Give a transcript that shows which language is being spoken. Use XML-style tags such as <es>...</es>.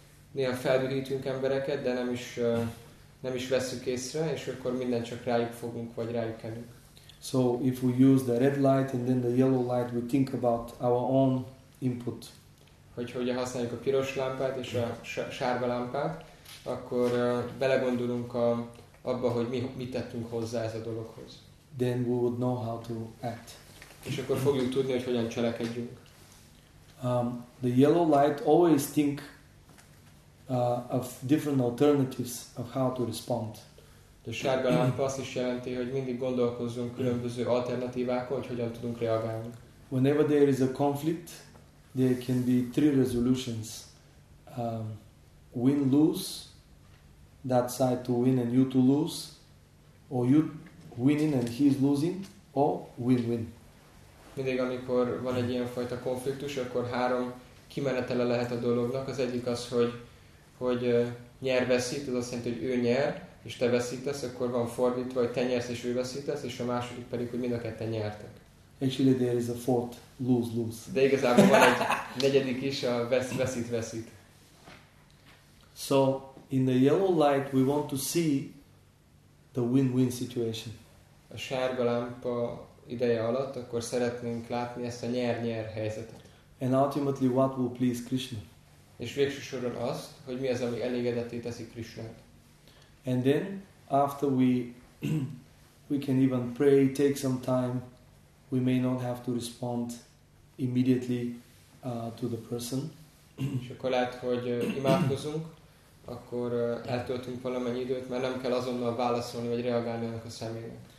<hu>Néha feldühítünk embereket, de nem is veszük észre, és akkor minden csak rájuk fogunk vagy rájuk kenünk.</hu> <en>So if we use the red light and then the yellow light, we think about our own input.</en> <hu>Hogyha használjuk a piros lámpát és a sárga lámpát, akkor belegondolunk abba, hogy mit tettünk hozzá ez a dologhoz.</hu> <en>Then we would know how to act.</en> <hu>És akkor fogjuk tudni, hogy hogyan cselekedjünk.</hu> <en>The yellow light always think of different alternatives of how to respond.</en> <hu>A sárga lámpa azt is jelenti, hogy mindig gondolkozzunk különböző alternatívákon, hogy hogyan tudunk reagálni.</hu> <en>Whenever there is a conflict, there can be three resolutions. Win-lose, that side to win and you to lose, or you winning and he's losing, or win-win.</en> <hu>Mindig, amikor van egy ilyen fajta konfliktus, akkor három kimenetele lehet a dolognak. Az egyik az, hogy nyer veszít, az azt jelenti, hogy ő nyer, és te veszítesz, akkor van fordítva, hogy te nyersz és ő veszítesz, és a második pedig, hogy mind a ketten nyertek.</hu> <en>Actually there is a fourth, lose-lose.</en> <hu>De igazából van egy negyedik is, a veszít-veszít.</hu> <en>So, in the yellow light we want to see the win-win situation.</en> <hu>A sárga lámpa ideje alatt, akkor szeretnénk látni ezt a nyer-nyer helyzetet.</hu> <en>And ultimately what will please Krishna.</en> <hu>És végső soron azt, hogy mi az, ami elégedetté teszi Krishnát.</hu> <en>And then after we can even pray, take some time, we may not have to respond immediately to the person.</en> <hu>És akkor lehet, hogy imádkozunk, akkor eltöltünk valamennyi időt, mert nem kell azonnal válaszolni vagy reagálni annak a személynek.</hu>